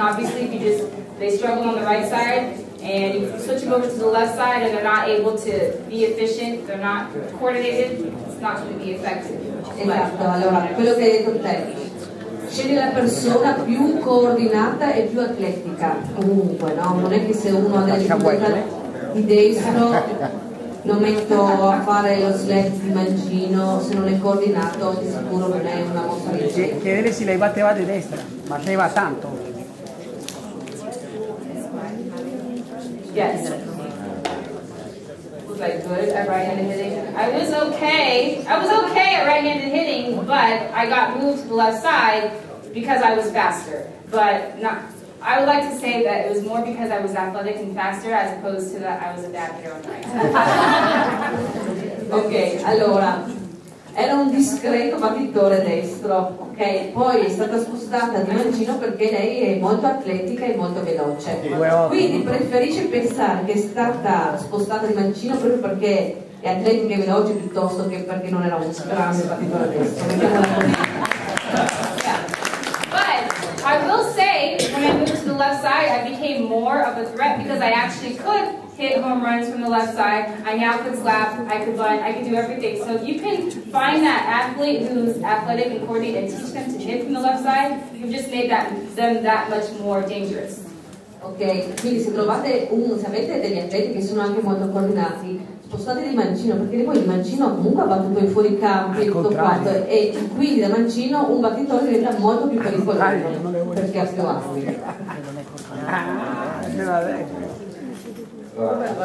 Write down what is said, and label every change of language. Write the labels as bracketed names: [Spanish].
[English] Obviously, if you just, they struggle on the right side and you switch them over to the left side and they're not able to be efficient, they're not coordinated, it's not going to be effective. [Italian] Esatto, allora, quello che hai detto te, scegli la persona più coordinata e più atletica, comunque, no? Non è che se uno ha delle difficoltà di destro lo metto a fare lo slap di mancino, se non è coordinato di sicuro non è una mossa di destra. Chiedere se lei batteva di destra, ma se va tanto. [English] Yes. Like good at right-handed hitting. I was okay at right-handed hitting, but I got moved to the left side because I was faster. But not. I would like to say that it was more because I was athletic and faster as opposed to that I was a bad hitter on the right. [Italian] Okay. Allora, era un discreto battitore destro. Okay. Poi è stata spostata di mancino perché lei è molto atletica e molto veloce. Quindi preferisce pensare che è stata spostata di mancino proprio perché è atletica e veloce piuttosto che perché non era un grande battitore destro. [English] But I will say, when I moved to the left side, I became more of a threat because I actually could hit home runs from the left side. I now could slap, I could bunt, I could do everything. So if you can find that athlete who's athletic and coordinated and teach them to hit from the left side, you've just made them that much more dangerous. [Italian] Okay, quindi se trovate se avete degli atleti che sono anche molto coordinati, spostate di mancino, perché poi il mancino comunque ha battuto in fuori campo e tutto quanto, e quindi da mancino un battitore diventa molto più pericoloso perché ha più alto.